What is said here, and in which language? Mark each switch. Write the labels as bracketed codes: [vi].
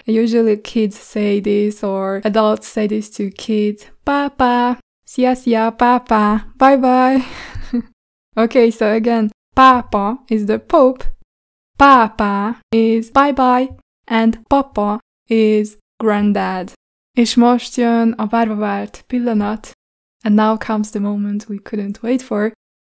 [en] Usually kids say this, or adults say this to kids. Papa, sia-sia, papa, bye-bye. Okay, so again, papa is the Pope, papa is bye-bye, and papa is granddad. [hu] És most jön a várva várt pillanat. [en] And now comes the moment we couldn't wait for.